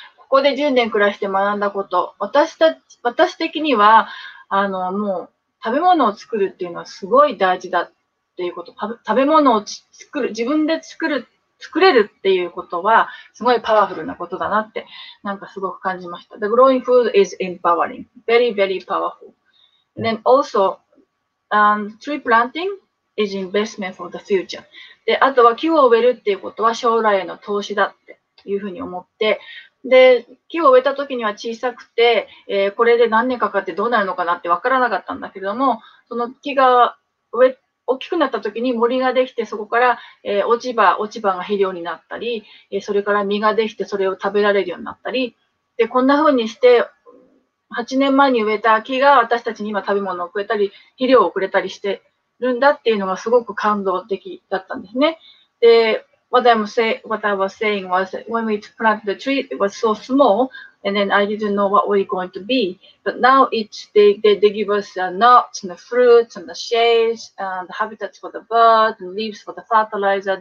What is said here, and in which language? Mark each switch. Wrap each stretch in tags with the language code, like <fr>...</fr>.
<ja>ここで10年暮らして学んだこと、私的にはあのもう食べ物を作るっていうのはすごい大事だっていうこと、食べ物を作る、自分で作れるっていうことはすごいパワフルなことだなってなんかすごく感じました。</ja> <en>The growing food is empowering. Very, very powerful. Then also,tree planting is investment for the future.</en> <ja>で、あとは木を植えるっていうことは将来への投資だっていうふうに思って、で、木を植えた時には小さくて、これで何年かかってどうなるのかなって分からなかったんだけれども、その木が大きくなった時に森ができて、そこから、落ち葉が肥料になったり、それから実ができてそれを食べられるようになったり、で、こんなふうにして、 8年前に植えた木が私たちに今食べ物をくれたり、肥料をくれたりしてるんだっていうのがすごく感動的だったんですね。</ja> <en>で、what I was saying was, when we planted the tree, it was so small, and then I didn't know what we're going to be. But now they give us nuts and the fruits and the shades and the habitats for the birds and leaves for the fertilizer.</en>